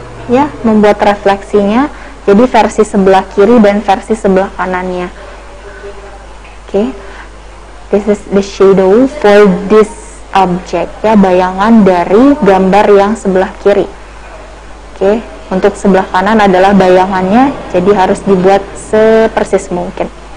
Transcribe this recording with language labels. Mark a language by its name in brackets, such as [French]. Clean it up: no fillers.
[Indonesian] Ya, yeah, membuat refleksinya. Jadi versi sebelah kiri dan versi sebelah kanannya. [English] Okay, this is the shadow for this object. [Indonesian] Ya, yeah, bayangan dari gambar yang sebelah kiri. Okay, untuk sebelah kanan adalah bayangannya. Jadi harus dibuat sepersis mungkin.